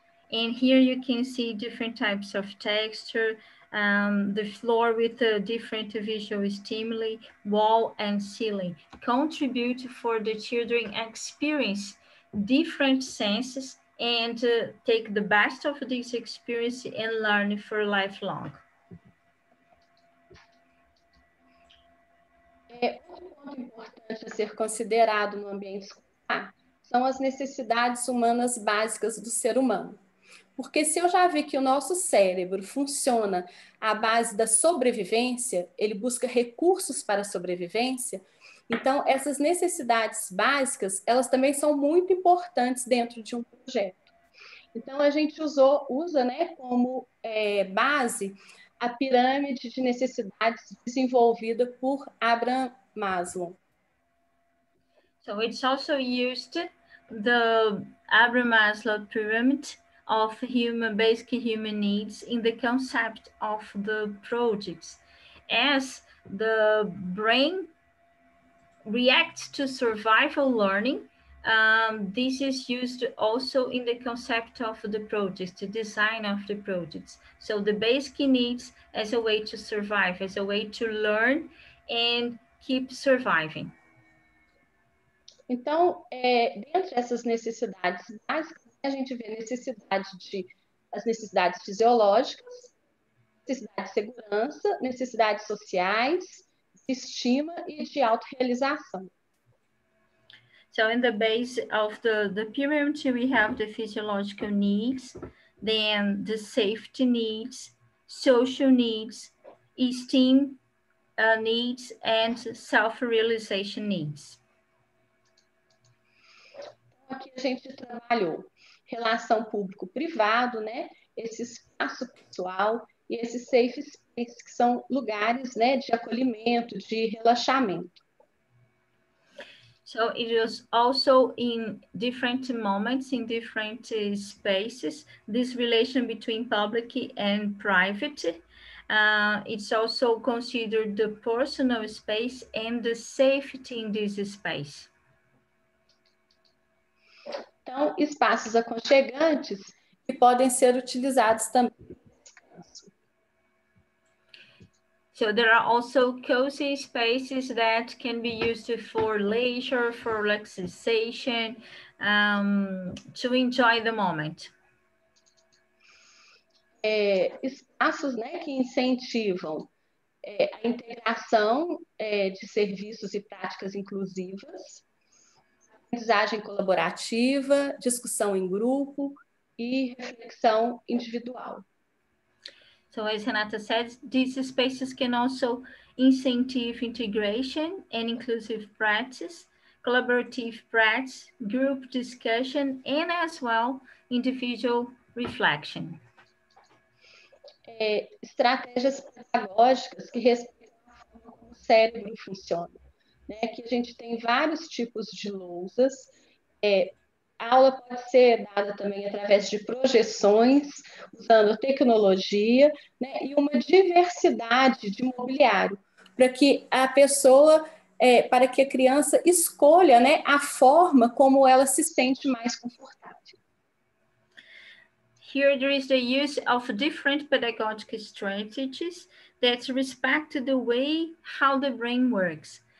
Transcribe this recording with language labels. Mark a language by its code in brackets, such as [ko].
[en] And here you can see different types of texture, the floor with a different visual stimuli, wall and ceiling contribute for the children experience different senses and take the best of this experience and learn for lifelong. [pt] Outro ponto importante a ser considerado no ambiente escolar são as necessidades humanas básicas do ser humano. Porque se eu já vi que o nosso cérebro funciona à base da sobrevivência, ele busca recursos para a sobrevivência, então essas necessidades básicas, elas também são muito importantes dentro de um projeto. Então a gente usa né, como base a pirâmide de necessidades desenvolvida por Abraham Maslow. [en] So it's also used the Abraham Maslow pyramid of human basic human needs in the concept of the projects. As the brain reacts to survival learning, this is used also in the concept of the projects, the design of the projects. So the basic needs as a way to survive, as a way to learn and keep surviving. [pt] Então, dentro dessas necessidades básicas, a gente vê as necessidades fisiológicas, necessidade de segurança, necessidades sociais, de estima e de autorrealização. [en] So in the base of the pyramid, we have the physiological needs, then the safety needs, social needs, esteem needs, and self-realization needs. [pt] Aqui a gente trabalhou relação público-privado, né? Esse espaço pessoal e esse safe space, que são lugares, né, de acolhimento, de relaxamento. [en] So it was also in different moments, in different spaces, this relation between public and private. It's also considered the personal space and the safety in this space. [pt] Então, espaços aconchegantes que podem ser utilizados também. [en] So there are also cozy spaces that can be used for leisure, for relaxation, to enjoy the moment. [pt] Espaços, né, que incentivam a integração de serviços e práticas inclusivas, aprendizagem colaborativa, discussão em grupo e reflexão individual. [en] So, as Renata said, these spaces can also incentive integration and inclusive practice, collaborative practice, group discussion, and as well, individual reflection. [pt] Estratégias pedagógicas que respeitam como o cérebro funciona. Né, que a gente tem vários tipos de lousas. A aula pode ser dada também através de projeções, usando tecnologia, né, e uma diversidade de mobiliário, para que a pessoa, para que a criança escolha, né, a forma como ela se sente mais confortável. [en] Here there is the use of different pedagogic strategies that respect the way how the brain works.